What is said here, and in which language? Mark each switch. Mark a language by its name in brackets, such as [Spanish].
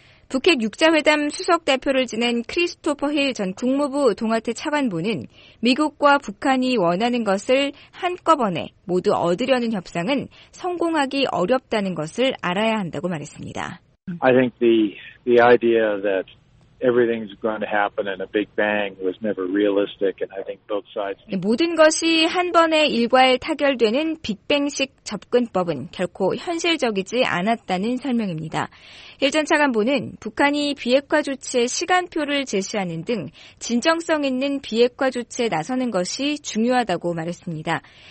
[Korean] 북핵 6자회담 수석대표를 지낸 크리스토퍼 힐 전 국무부 동아태 차관보는 미국과 북한이 원하는 것을 한꺼번에 모두 얻으려는 협상은 성공하기 어렵다는 것을 알아야 한다고 말했습니다. [English] I think the idea that everything's going to happen in a big bang was never realistic, and I think both sides. [Korean] 모든 것이 한 번에 일괄 타결되는 빅뱅식 접근법은 결코 현실적이지 않았다는 설명입니다. 일전 차관보는 북한이 비핵화 조치의 시간표를 제시하는 등 진정성 있는 비핵화 조치에 나서는 것이 중요하다고 말했습니다.